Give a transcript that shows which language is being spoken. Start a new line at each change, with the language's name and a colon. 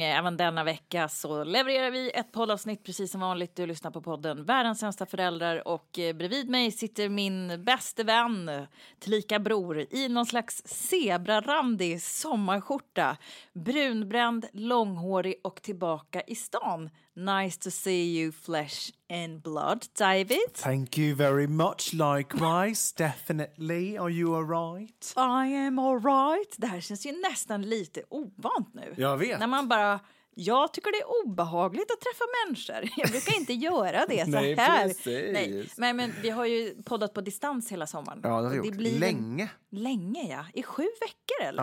Swedish: Även denna vecka så levererar vi ett poddavsnitt precis som vanligt. Du lyssnar på podden Världens sämsta föräldrar, och bredvid mig sitter min bäste vän, tillika bror, i någon slags zebrarandig sommarskjorta. Brunbränd, långhårig och tillbaka i stan.
English: Nice to see you, flesh and blood, David. Thank you very much, likewise. Definitely, are you all right? I am all right.
Swedish: Det här känns ju nästan lite ovant nu. Jag vet. När man bara, jag tycker det är obehagligt att träffa människor. Jag brukar inte göra det så här. Nej, precis. Nej. Men vi har ju poddat på distans hela sommaren. Ja, det har det blir länge. Länge, ja. I 7 veckor, eller?